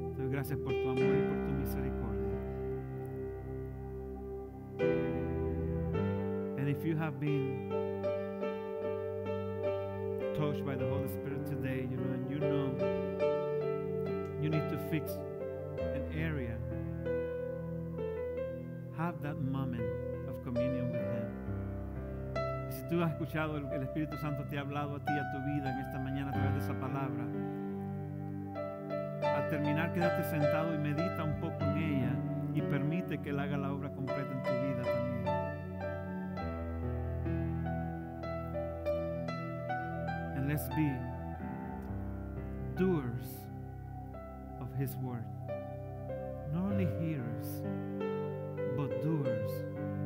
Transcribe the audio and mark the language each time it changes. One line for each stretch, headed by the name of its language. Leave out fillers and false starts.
Spanish: Gracias por tu amor y por tu misericordia.
English: And if you have been touched by the Holy Spirit today, you know, and you know you need to fix an area, have that moment of communion with him.
Spanish: Si tú has escuchado el Espíritu Santo te ha hablado a ti, a tu vida en esta mañana a través de esa palabra, terminar, quédate sentado y medita un poco en ella y permite que él haga la obra completa en tu vida también.
English: And let's be doers of his word. Not only hearers, but doers of his word.